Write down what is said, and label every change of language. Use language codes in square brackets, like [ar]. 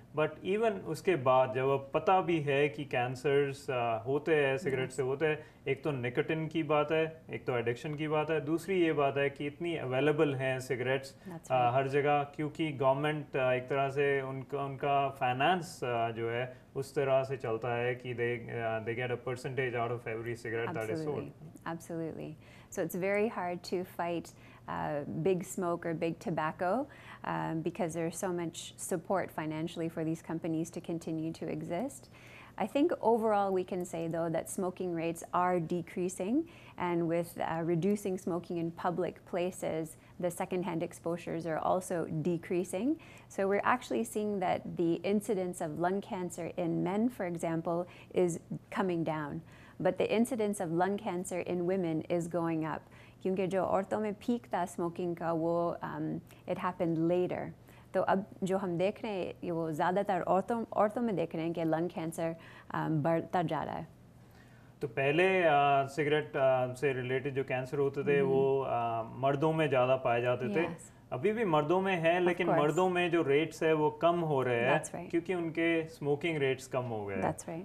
[hi] But even उसके बाद जब अब पता भी है कि कैंसर्स होते हैं सिगरेट से होते हैं, एक तो निकोटिन की बात है, एक तो एडिक्शन की बात है, दूसरी ये बात है कि इतनी अवेलेबल हैं सिगरेट्स हर जगह, क्योंकि गवर्नमेंट एक तरह से उनका उनका फाइनेंस जो है उस तरह से चलता है कि [en] They get a percentage out of every cigarette that is sold. Absolutely, so it's very hard to fight big smoke or big tobacco, because there's so much support financially for these companies to continue to exist. I think overall we can say though that smoking rates are decreasing, and with reducing smoking in public places, the secondhand exposures are also decreasing. So we're actually seeing that the incidence of lung cancer in men, for example, is coming down, but the incidence of lung cancer in women is going up. [hi] क्योंकि जो औरतों में peak था smoking का, वो [en] It happened later. [hi] तो अब जो हम देख रहे हैं वो ज़्यादातर औरतों में देख रहे हैं कि लंग कैंसर बढ़ता जा रहा है. तो पहले सिगरेट से रिलेटेड जो कैंसर होते थे वो मर्दों में ज़्यादा पाए जाते थे, अभी भी मर्दों में है, लेकिन मर्दों में जो रेट्स है वो कम हो रहे हैं क्योंकि उनके स्मोकिंग रेट्स कम हो गए.